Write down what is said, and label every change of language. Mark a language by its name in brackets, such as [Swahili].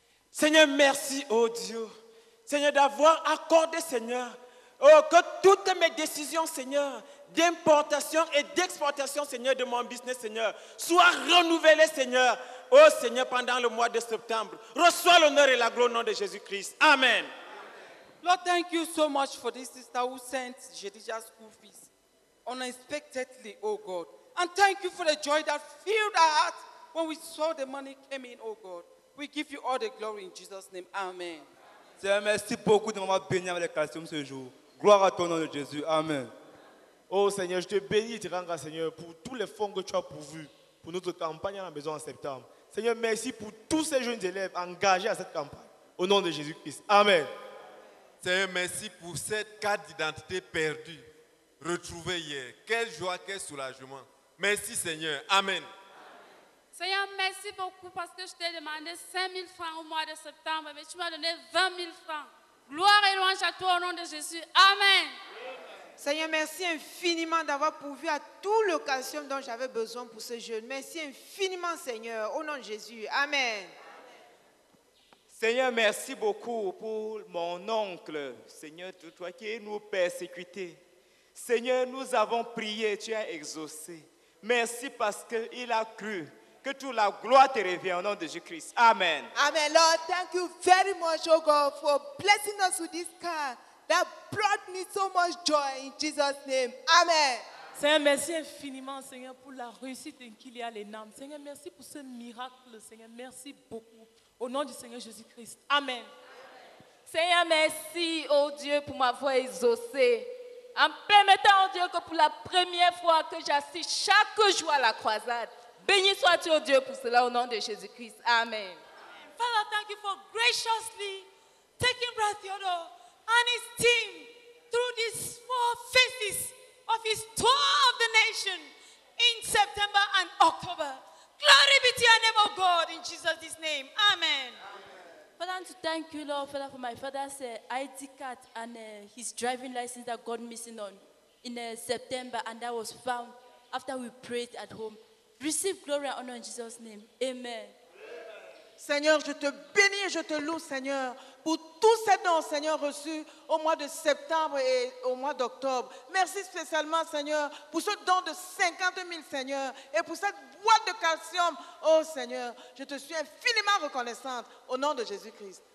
[French] Seigneur, merci, ô Dieu, Seigneur, d'avoir accordé, Seigneur, oh, que toutes mes décisions, Seigneur, d'importation et d'exportation, Seigneur, de mon business, Seigneur, soient renouvelées, Seigneur, ô Seigneur, pendant le mois de septembre. Reçois l'honneur et la gloire au nom de Jésus-Christ. Amen. [English] Lord, thank you so much for this sister who sent Jedidiah's school fees unexpectedly, oh God. And thank you for the joy that filled our hearts when we saw the money came in, oh God. We give you all the glory in Jesus' name. Amen. [French] Seigneur, merci beaucoup de m'avoir béni avec les calciums ce jour. Gloire à ton nom de Jésus. Amen. Oh Seigneur, je te bénis et te rends grâce, Seigneur, pour tous les fonds que tu as pourvus pour notre campagne à la maison en septembre. Seigneur, merci pour tous ces jeunes élèves engagés à cette campagne. Au nom de Jésus-Christ. Amen. Seigneur, merci pour cette carte d'identité perdue, retrouvée hier. Quelle joie, quel soulagement. Merci Seigneur. Amen. Seigneur, merci beaucoup parce que je t'ai demandé 5 000 francs au mois de septembre, mais tu m'as donné 20 000 francs. Gloire et louange à toi au nom de Jésus. Amen. Seigneur, merci infiniment d'avoir pourvu à tout le calcium dont j'avais besoin pour ce jeûne. Merci infiniment Seigneur, au nom de Jésus. Amen. Seigneur, merci beaucoup pour mon oncle, Seigneur, toi qui nous persécutais. Seigneur, nous avons prié, tu as exaucé. Merci parce qu'il a cru que toute la gloire te revient au nom de Jésus-Christ. Amen. [English] Amen, Lord, thank you very much, oh God, for blessing us with this car that brought me so much joy in Jesus' name. Amen. [French] Seigneur, merci infiniment, Seigneur, pour la réussite de Kylian et Nam. Seigneur, merci pour ce miracle, Seigneur, merci beaucoup. Au nom du Seigneur Jésus-Christ. Amen. Amen. Seigneur, merci, ô Dieu, pour m'avoir exaucé. En permettant, ô Dieu, que pour la première fois que j'assiste chaque jour à la croisade, béni sois-tu, ô Dieu, pour cela, au nom de Jésus-Christ. Amen. Amen. [English] Father, thank you for graciously taking breath, your Lord, and his team through these four phases of his tour of the nation in September and October. Glory be to your name, O God, in Jesus' name. Amen. Amen. Father, I want to thank you, Lord, Father, for my father's ID card and his driving license that got missing on in September, and that was found after we prayed at home. Receive glory and honor in Jesus' name. Amen. Amen. [French] Seigneur, je te bénis et je te loue, Seigneur, pour tous ces dons, Seigneur, reçus au mois de septembre et au mois d'octobre. Merci spécialement, Seigneur, pour ce don de 50 000, Seigneur, et pour cette boîte de calcium. Oh, Seigneur, je te suis infiniment reconnaissante au nom de Jésus-Christ.